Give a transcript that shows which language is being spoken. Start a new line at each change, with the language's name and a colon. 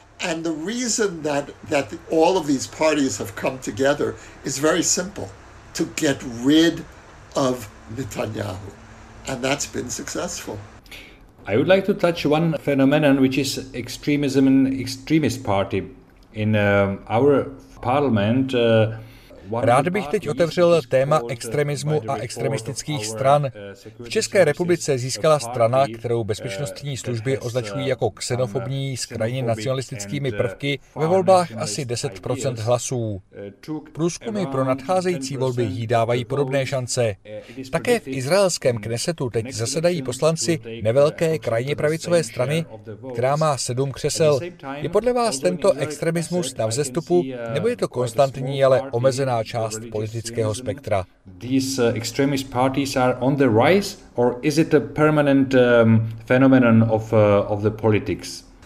English: And the reason that all of these parties have come together is very simple. To get rid of Netanyahu. And that's been successful. I would like to touch one phenomenon, which is extremism and extremist party. In our parliament,
Czech: Rád bych teď otevřel téma extremismu a extremistických stran. V České republice získala strana, kterou bezpečnostní služby označují jako xenofobní s krajně nacionalistickými prvky, ve volbách asi 10% hlasů. Průzkumy pro nadcházející volby jí dávají podobné šance. Také v izraelském Knesetu teď zasedají poslanci nevelké krajně pravicové strany, která má 7 křesel. Je podle vás tento extremismus na vzestupu, nebo je to konstantní, ale omezená část politického spektra?
English: These extremist parties are on the rise, or is it a permanent phenomenon of the politics?